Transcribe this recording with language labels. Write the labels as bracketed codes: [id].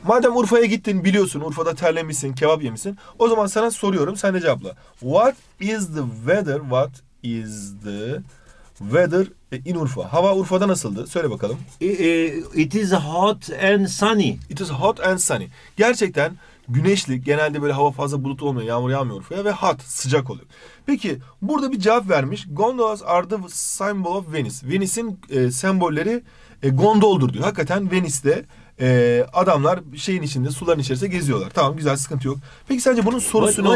[tr] Madem Urfa'ya gittin, biliyorsun Urfa'da terlemişsin, kebap yemişsin. O zaman sana soruyorum, sen de cevapla. [en] What is the weather? What is the weather in Urfa? [tr] Hava Urfa'da nasıldı? Söyle bakalım. [en] It is hot and sunny. It is hot and sunny. [tr] Gerçekten güneşli. Genelde böyle hava fazla bulutlu olmuyor. Yağmur yağmıyor Urfa'ya ve hot, sıcak oluyor. Peki burada bir cevap vermiş. [en] Gondolas are the symbol of Venice. [tr] Venice'in sembolleri gondoldur diyor. Hakikaten Venice'de adamlar şeyin içinde, suların içerisinde geziyorlar. Tamam, güzel, sıkıntı yok. Peki sence bunun sorusu ne olur?